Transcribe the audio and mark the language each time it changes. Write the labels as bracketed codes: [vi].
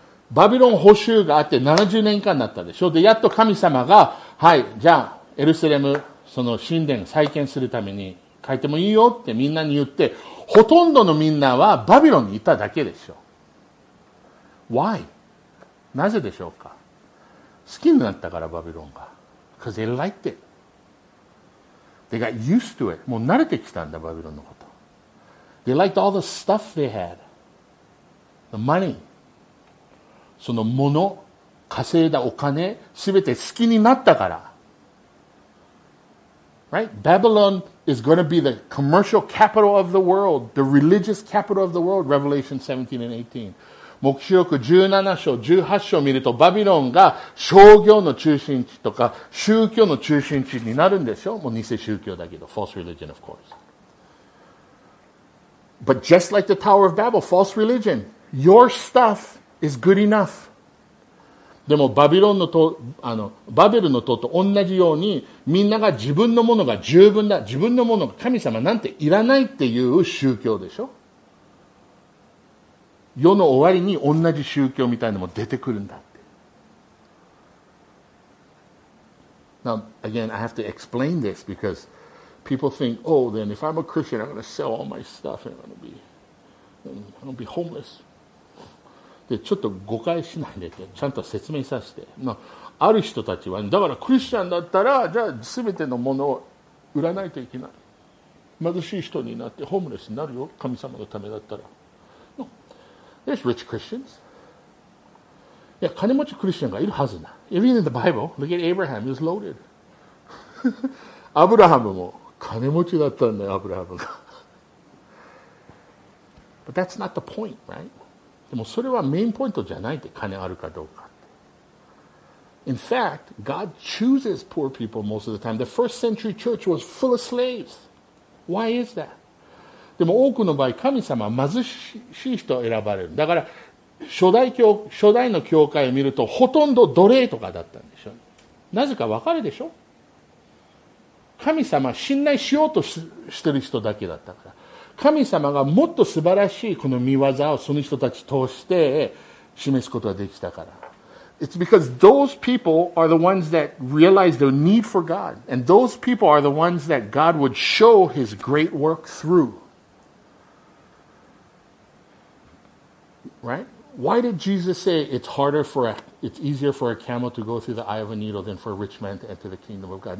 [ja] バビロン捕囚があって70年間だったでしょ。で、やっと神様が、はい、じゃあ、エルサレム、その神殿再建するために帰ってもいいよってみんなに言って、ほとんどのみんなはバビロンにいただけでしょ。 [en] Why? [ja] なぜでしょうか。好きになったからバビロンが。 [en] Because they liked it. They got used to it. [ja] もう慣れてきたんだ、バビロンのこと。 [en] They liked all the stuff they had. The money. [ja] その物、稼いだお金すべて好きになったから。 [en] Right? Babylon is going to be the commercial capital of the world, the religious capital of the world, Revelation 17 and 18. [ja] 黙示録17章、18章を見ると、バビロンが商業の中心地とか宗教の中心地になるんでしょ？もう偽宗教だけど、 [en] false religion, of course. But just like the Tower of Babel, false religion, your stuff is good enough. [ja] でもバビロンの塔、バベルの塔と同じように、みんなが自分のものが十分だ、自分のものが神様なんていらないっていう宗教でしょ。世の終わりに同じ宗教みたいなのも出てくるんだって。 [en] Now, again, I have to explain this because people think, oh, then if I'm a Christian, I'm going to sell all my stuff and I'm going to be homeless. [ja] でちょっと誤解しないでってちゃんと説明させて、まあ、ある人たちは、ね、だからクリスチャンだったらじゃあ全てのものを売らないといけない、貧しい人になってホームレスになるよ神様のためだったら、no. [en] There's rich Christians. [ja] いや金持ちクリスチャンがいるはずな。 [en] Even in the Bible, look at Abraham, he's loaded. [ja] アブラハムも金持ちだったんだよ、アブラハムが。 [en] But that's not the point, right? [ja] でもそれはメインポイントじゃないって、金あるかどうか。 [en] In fact, God chooses poor people most of the time. The first century church was full of slaves. Why is that? [ja] でも多くの場合、神様は貧しい人を選ばれる。だから初代の教会を見ると、ほとんど奴隷とかだったんでしょう。なぜか分かるでしょ？神様は信頼しようとしてる人だけだったから。神様がもっと素晴らしいこの御業をその人たち通して示すことができたから。 [en] It's because those people are the ones that realize their need for God. And those people are the ones that God would show his great work through. Right? Why did Jesus say it's easier for a camel to go through the eye of a needle than for a rich man to enter the kingdom of God?